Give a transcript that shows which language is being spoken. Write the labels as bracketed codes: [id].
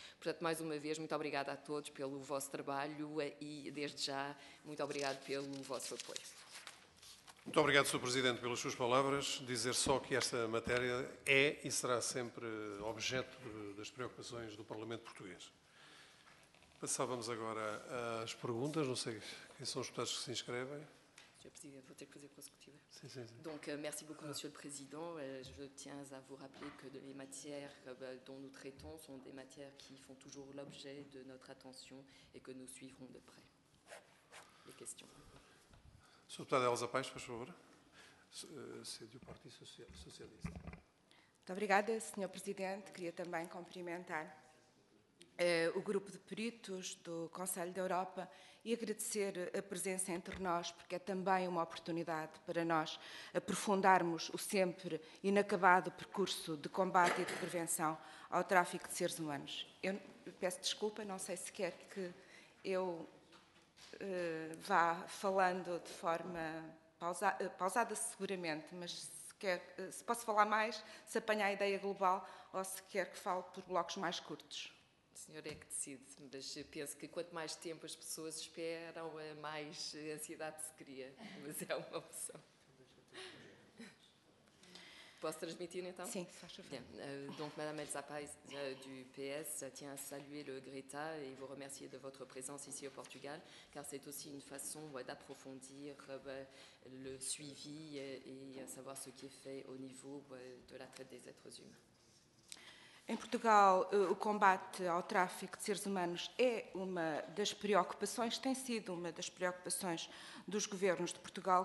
[pt] Portanto, mais uma vez, muito obrigada a todos pelo vosso trabalho e, desde já, muito obrigado pelo vosso apoio. Muito obrigado, Sr. Presidente, pelas suas palavras. Dizer só que esta matéria é e será sempre objeto das preocupações do Parlamento Português. Passávamos agora às perguntas. Não sei quem são os deputados que se inscrevem. [fr] Monsieur le Président, vous êtes président consécutive. Si. Donc, merci beaucoup, Monsieur le Président. Je tiens à vous rappeler que les matières dont nous traitons sont des matières qui font toujours l'objet de notre attention et que nous suivrons de près. Les questions. Sur le plan d'Elsa Pais, par favor. C'est du Parti Socialiste. [pt] Muito obrigada, Sr. Presidente. Queria também cumprimentar o grupo de peritos do Conselho da Europa e agradecer a presença entre nós, porque é também uma oportunidade para nós aprofundarmos o sempre inacabado percurso de combate e de prevenção ao tráfico de seres humanos. Eu peço desculpa, não sei se quer que eu vá falando de forma pausada seguramente, mas se posso falar mais, se apanhar a ideia global ou se quer que fale por blocos mais curtos. O senhor é que decide, mas eu penso que quanto mais tempo as pessoas esperam, mais ansiedade se cria, mas é uma opção. Posso transmitir, então? Sim, se faz favor. [fr] Donc, Madame Elsa Pais, du PS, tient à saluer le Greta et vous remercier de votre présence ici au Portugal, car c'est aussi une façon d'approfondir le suivi et savoir ce qui est fait au niveau de la traite des êtres humains. [pt] Em Portugal, o combate ao tráfico de seres humanos é uma das preocupações, tem sido uma das preocupações dos governos de Portugal.